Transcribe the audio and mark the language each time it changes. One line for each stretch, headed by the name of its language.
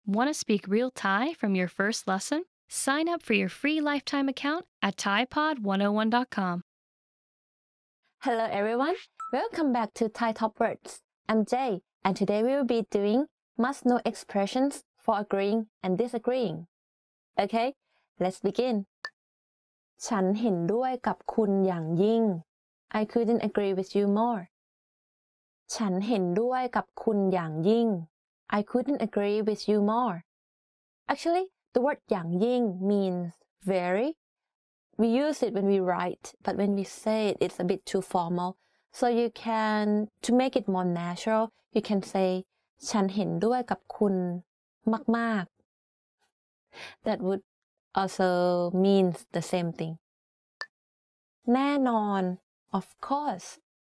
English: Want to speak real Thai from your first lesson? Sign up for your free lifetime account at ThaiPod101.com. Hello, everyone. Welcome back to Thai Top Words. I'm Jay, and today we will be doing must-know expressions for agreeing and disagreeing. Okay, let's begin.
Thai: ฉันเห็นด้วยกับคุณอย่างยิ่ง
English: I couldn't agree with you more.
Thai: ฉันเห็นด้วยกับคุณอย่างยิ่ง
English: I couldn't agree with you more. Actually, the word yang ying means very. We use it when we write, but when we say it, it's a bit too formal. So you can, to make it more natural, you can say,
Thai: chan hen duai gap kun mak mak.
English: That would also mean the same thing. Nae non, of course.